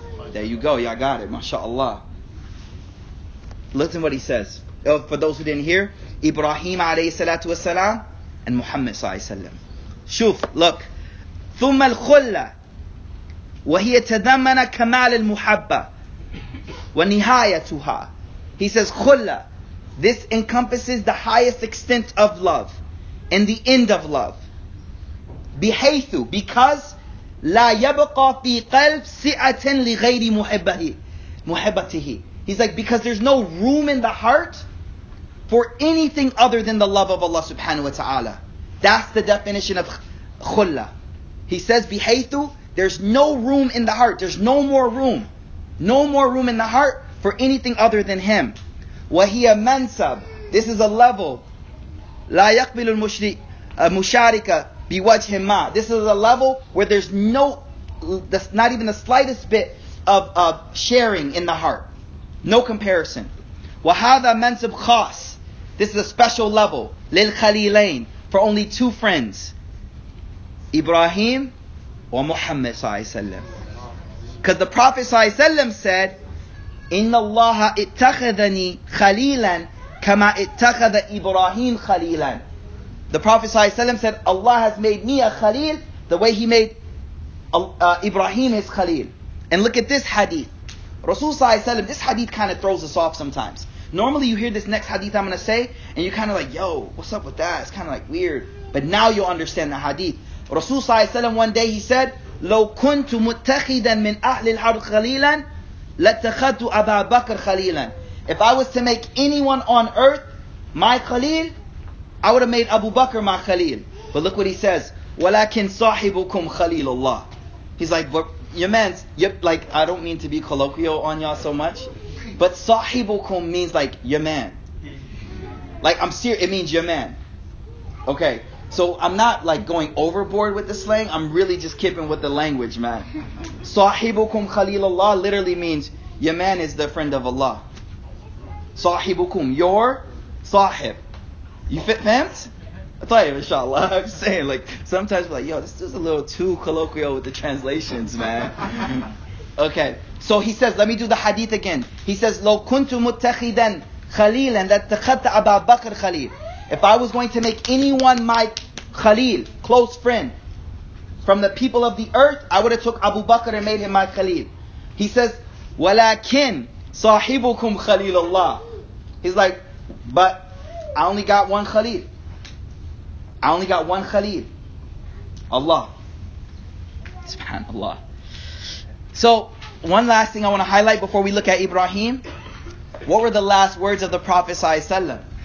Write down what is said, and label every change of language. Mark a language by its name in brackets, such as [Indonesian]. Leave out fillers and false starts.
[English] There you go, y'all got it, mashallah. Listen what he says. For those who didn't hear, Ibrahim alayhi salatu wasalam and Muhammad sallallahu alayhi wasallam. Shuf, look. [Arabic] ثم الخلة وهي تضمن كمال المحبة ونهايتها. [English] He says خلة, this encompasses the highest extent of love and the end of love. [Arabic] بحيث, [English] because [Arabic] لا يبقى في قلب سعة لغير محبته. [English] He's like, because there's no room in the heart for anything other than the love of Allah subhanahu wa ta'ala. That's the definition of khulla. He says, بحيثو, there's no room in the heart. There's no more room. No more room in the heart for anything other than Him. [Arabic] وهي منصب. [English] This is a level. [Arabic] لا يقبل المشاركة بوجه ما. [English] This is a level where there's no, that's not even the slightest bit of sharing in the heart. No comparison. [Arabic] وَهَذَا مَنْسِبْ خَاسْ. [English] This is a special level. [Arabic] لِلْخَلِيلَيْنِ. [English] For only two friends. Ibrahim wa Muhammad صلى الله عليه وسلم. Because the Prophet [Arabic] صلى الله عليه وسلم [English] said, [Arabic] إِنَّ اللَّهَ اتَّخَذَنِي خَلِيلًا كَمَا اتَّخَذَ إِبْرَاهِيمْ خَلِيلًا. [English] The Prophet صلى الله عليه وسلم said, Allah has made me a khalil the way He made Ibrahim His khalil. And look at this hadith. Rasul صلى الله عليه وسلم, this hadith kind of throws us off sometimes. Normally you hear this next hadith I'm going to say, and you're kind of like, yo, what's up with that? It's kind of like weird. But now you'll understand the hadith. [Arabic] Rasul صلى الله عليه وسلم [English] one day he said, [Arabic] لو كنت متخذا من أهل الحرب خليلا لاتخذت أبا بكر خليلا. [English] If I was to make anyone on earth my khalil, I would have made Abu Bakr my khalil. But look what he says, [Arabic] ولكن صاحبكم خليل الله. [English] He's like, but your man's, yep, like, I don't mean to be colloquial on y'all so much, but sahibukum means like your man. Like, I'm serious, it means your man. Okay, so I'm not like going overboard with the slang, I'm really just keeping with the language, man. Sahibukum khalilullah literally means your man is the friend of Allah. Sahibukum, your sahib. You fit, fams? I thought you, inshallah. I'm saying, like, sometimes we're like, yo, this is a little too colloquial with the translations, man. Okay, so he says, let me do the hadith again. He says, [Arabic] لو كنت متخذا خليلا لاتخذت أبا بكر خليل. [English] If I was going to make anyone my khalil, close friend, from the people of the earth, I would have took Abu Bakr and made him my khalil. He says, [Arabic] ولكن صاحبكم خليل الله. [English] He's like, but I only got one khalil. I only got one khalil. Allah. Subhanallah. So, one last thing I want to highlight before we look at Ibrahim. What were the last words of the Prophet ﷺ?